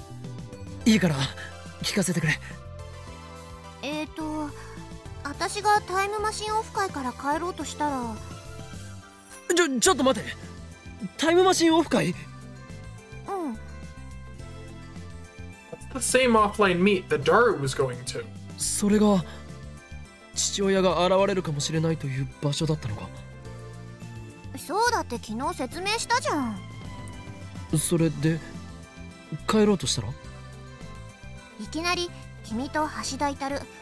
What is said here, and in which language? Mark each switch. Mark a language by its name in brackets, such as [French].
[Japanese] 最後の晩餐を開いた。そうだな。 そうそう。昨日も君、そんなこと言ってた。昨日は私のために、サンキュー。いまいちよく覚えてないんだが、俺は一体どうやってお前を確保した？まさか、本当に昨日お酒飲んでた？いいから、聞かせてくれ。私がタイムマシンオフ会から帰ろうとしたら。ちょっと待て。タイムマシンオフ会? うん。 [English] That's the same offline meet that Daru was going to. [Japanese] それが父親が現れるかもしれないという場所だったのか? そうだって昨日説明したじゃん。それで帰ろうとしたら? いきなり君と橋田至る。